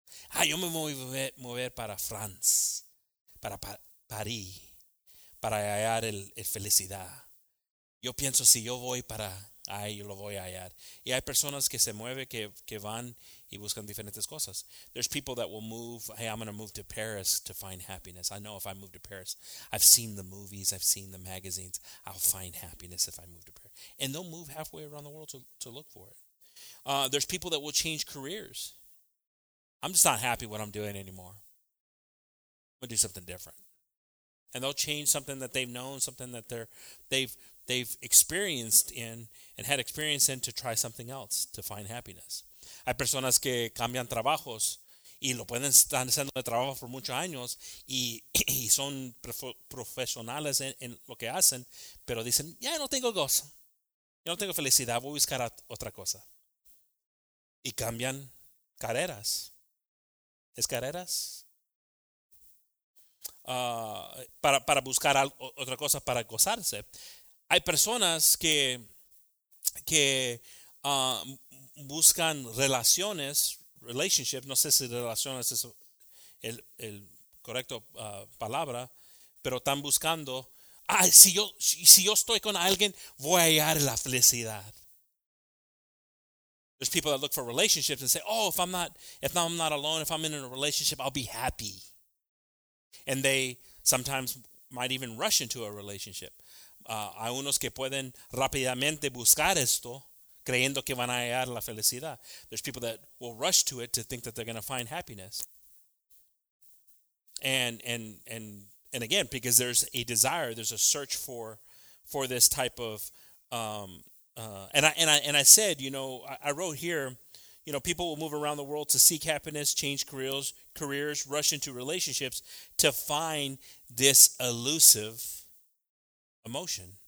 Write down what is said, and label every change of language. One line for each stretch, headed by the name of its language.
Spanish: Ah, yo me voy a mover para France, para París, para hallar el felicidad. Yo pienso, si yo voy para ahí, yo lo voy a hallar. Y hay personas que se mueven, que van y buscan diferentes cosas.
English: There's people that will move, hey, I'm going to move to Paris to find happiness. I know if I move to Paris, I've seen the movies, I've seen the magazines, I'll find happiness if I move to Paris. And they'll move halfway around the world to look for it. There's people that will change careers. I'm just not happy what I'm doing anymore. I'm going to do something different. And they'll change something that they've known, something that they've experienced in and had experience in to try something else to find happiness.
Spanish: Hay personas que cambian trabajos y lo pueden estar haciendo de trabajo por muchos años y son profesionales en lo que hacen, pero dicen, ya no tengo gozo, ya no tengo felicidad, voy a buscar otra cosa. Y cambian carreras. ¿Es carreras? Para buscar otra cosa para gozarse. Hay personas que buscan relaciones, relationship, no sé si relaciones es el correcto palabra, pero están buscando, si yo estoy con alguien, voy a hallar la felicidad.
English: There's people that look for relationships and say, oh, if I'm not alone, if I'm in a relationship, I'll be happy. And they sometimes might even rush into a relationship.
Spanish: Hay unos que pueden rápidamente buscar esto, creyendo que van a hallar la felicidad.
English: There's people that will rush to it to think that they're going to find happiness. And again, because there's a desire, there's a search for this type of, and I said, you know, I wrote here, you know, people will move around the world to seek happiness, change careers, rush into relationships to find this elusive emotion.